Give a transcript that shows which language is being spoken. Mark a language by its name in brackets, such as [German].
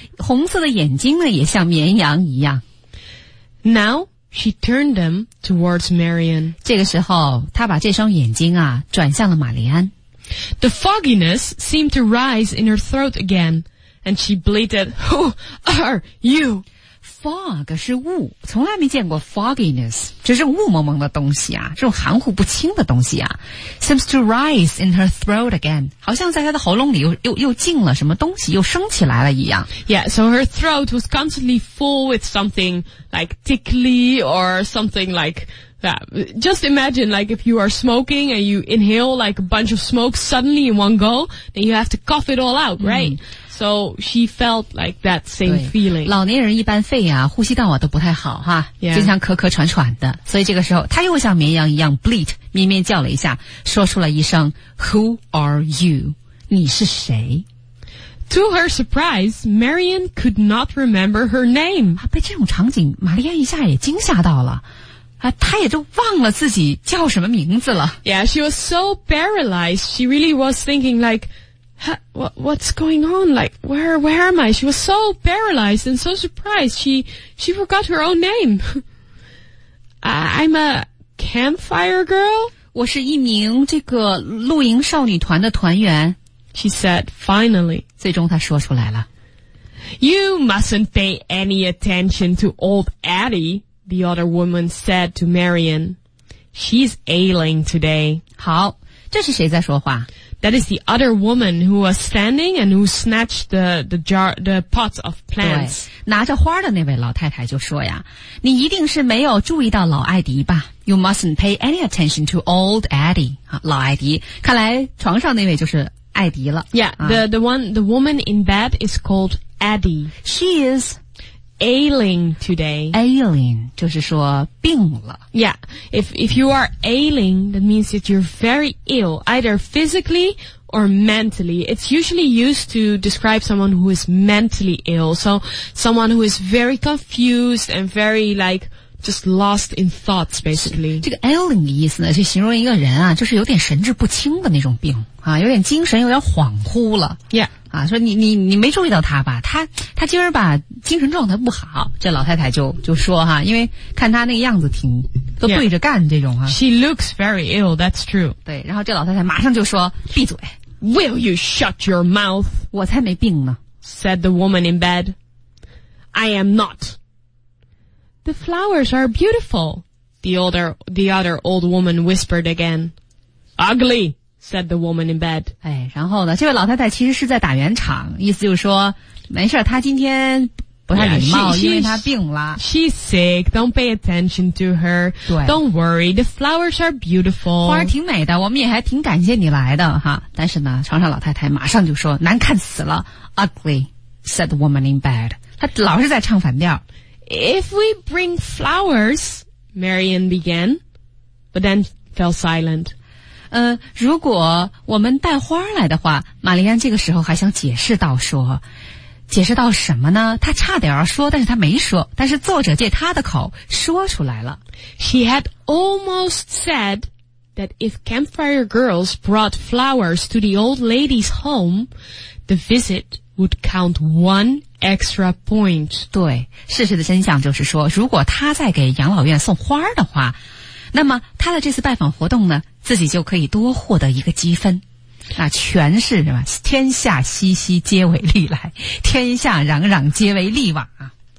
[Chinese] 红色的眼睛呢也像绵羊一样。 [English] Now,She turned them towards Marian. [Chinese] 这个时候她把这双眼睛啊转向了玛丽安。 [English] The fogginess seemed to rise in her throat again, and she bleated, Who are you? [Chinese] Fog 是雾，从来没见过 fogginess, 这种雾蒙蒙的东西啊，这种含糊不清的东西啊。 [English] Seems to rise in her throat again, [Chinese] 好像在她的喉咙里又进了什么东西，又升起来了一样。 [English] Yeah, so her throat was constantly full with something like tickly or something like... That. Just imagine, like, if you are smoking and you inhale, like, a bunch of smoke suddenly in one go, then you have to cough it all out, right?、Mm. So she felt like that same feeling. [Chinese] 老年人一般肺啊呼吸道啊都不太好哈、 [English] yeah. [Chinese] 经常咳咳喘喘的。所以这个时候他又像绵羊一样 bleat, 咩咩叫了一下说出了一声 [English] Who are you? [Chinese] 你是谁 [English] To her surprise, Marian could not remember her name.、 [Chinese] 啊、被这种场景玛丽安一下也惊吓到了。啊，她也就忘了自己叫什么名字了。 [English] Yeah, she was so paralyzed. She really was thinking like, what's going on? Like, where am I? She was so paralyzed and so surprised. She forgot her own name. I'm a campfire girl. [Chinese] 我是一名这个露营少女团的团员。 [English] She said, finally. [Chinese] 最终她说出来了。 [English] You mustn't pay any attention to old Addie. The other woman said to Marian, She's ailing today. [Chinese] 好，这是谁在说话？ [English] That is the other woman who was standing and who snatched the pot of plants. [Chinese] 对，拿着花的那位老太太就说呀，你一定是没有注意到老艾迪吧？ [English] You mustn't pay any attention to old Addie. [Chinese] 老艾迪，看来床上那位就是艾迪了。 [English] Yeah,、the woman in bed is called Addie. She is... Ailing today. [Chinese] Ailing, 就是说病了。 [English] Yeah, if you are ailing, that means that you're very ill, either physically or mentally. It's usually used to describe someone who is mentally ill, so someone who is very confused and very like... Just lost in thoughts, basically. [Chinese] 这个 ailing 的意思呢，是形容一个人啊，就是有点神志不清的那种病啊，有点精神有点恍惚了。 [English] Yeah. [Chinese] 啊，说你没注意到他吧？他今儿吧精神状态不好。这老太太就说哈、啊，因为看他那个样子挺都对着干、 [English] yeah. [Chinese] 这种啊。 [English] She looks very ill. That's true. [Chinese] 对，然后这老太太马上就说：“闭嘴。 [English] ”Will you shut your mouth? [Chinese] 我才没病呢。 [English] Said the woman in bed. I am not. The flowers are beautiful, the other old woman whispered again. Ugly, said the woman in bed. [Chinese] 哎，然后呢，这位老太太其实是在打圆场，意思就是说，没事，她今天不太礼貌，因为她病了。 [English] She's sick, don't pay attention to her. [Chinese] 对。 [English] Don't worry, the flowers are beautiful. [Chinese] 花儿挺美的，我们也还挺感谢你来的哈。但是呢，床上老太太马上就说，难看死了。 [English] Ugly, said the woman in bed. [Chinese] 她老是在唱反调。 [English] If we bring flowers, Marian began, but then fell silent. [Chinese] 如果我们带花来的话，玛丽安这个时候还想解释到说，解释到什么呢？她差点要说，但是她没说。但是作者借她的口说出来了。 [English] She had almost said that if campfire girls brought flowers to the old lady's home, the visit would count one. Extra point. [Chinese] 对，事实的真相就是说，如果他在给养老院送花的话，那么他的这次拜访活动呢，自己就可以多获得一个积分。那全是什么？天下熙熙皆为利来，天下攘攘皆为利往啊。